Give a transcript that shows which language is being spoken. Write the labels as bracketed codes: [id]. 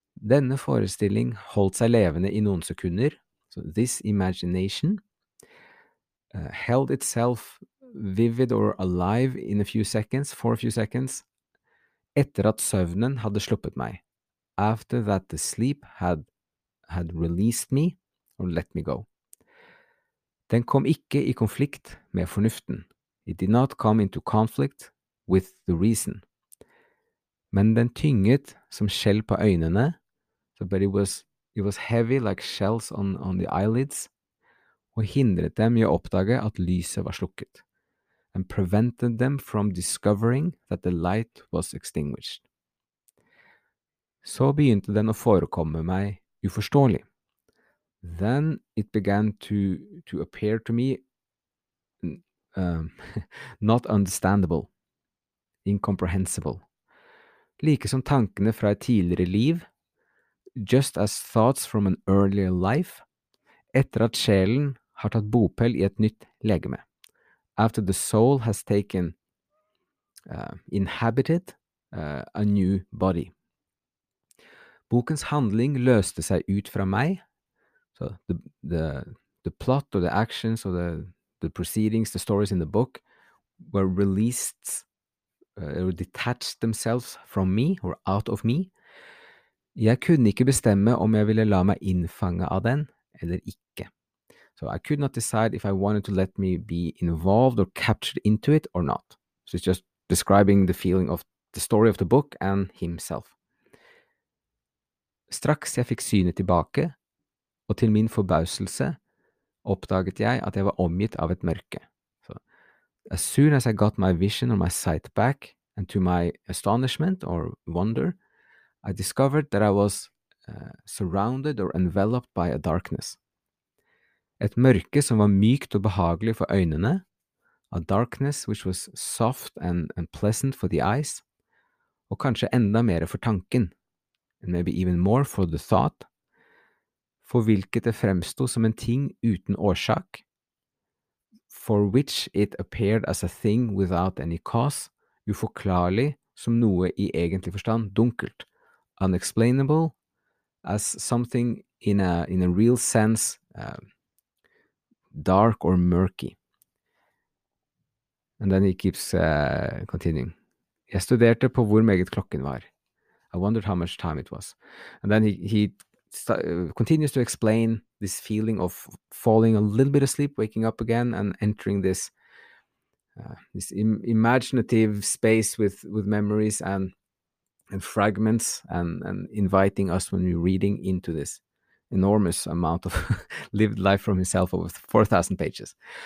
[no] Denne forestilling holdt seg levende I noen sekunder. [en] So this imagination held itself vivid or alive for a few seconds, [no] etter at søvnen hadde sluppet meg. [en] After that the sleep had released me or let me go. [no] Den kom ikke I konflikt med fornuften. [en] It did not come into conflict with the reason. [no] Men den tynget som skjell på øynene, [en] but it was heavy like shells on the eyelids, [no] og hindret dem I å oppdage at lyset var slukket, [en] and prevented them from discovering that the light was extinguished. [no] Så begynte den å forekomme meg uforståelig. [en] Then it began to appear to me not understandable, incomprehensible. [no] Like som tankene fra et tidligere liv, [en] just as thoughts from an earlier life, [no] etter at sjelen har tatt bopel I et nytt legeme. [en] After the soul has taken, inhabited a new body. [no] Bokens handling løste seg ut fra meg. [en] So the plot or the actions or the proceedings, the stories in the book were released or detached themselves from me or out of me. [no] Jeg kunne ikke bestemme om jeg ville la meg innfange av den eller ikke. [en] So I could not decide if I wanted to let me be involved or captured into it or not. So it's just describing the feeling of the story of the book and himself. [no] Straks jeg fikk synet tilbake, og til min forbauselse, oppdaget jeg at jeg var omgitt av et mørke. [en] So, as soon as I got my vision or my sight back, and to my astonishment or wonder, I discovered that I was surrounded or enveloped by a darkness. [no] Et mørke som var mykt og behagelig for øynene, [en] a darkness which was soft and pleasant for the eyes, [no] og kanskje enda mer for tanken, [en] and maybe even more for the thought, [no] for hvilket det fremstod som en ting uten årsak, [en] for which it appeared as a thing without any cause, [no] uforklarlig som noe I egentlig forstand, dunkelt, [en] unexplainable, as something in a real sense, dark or murky. And then he keeps continuing. [no] Jeg studerte på hvor meget klokken var. [en] I wondered how much time it was. And then he continues to explain this feeling of falling a little bit asleep, waking up again, and entering this imaginative space with memories and fragments and inviting us when we're reading into this enormous amount of lived life from himself over 4,000 pages.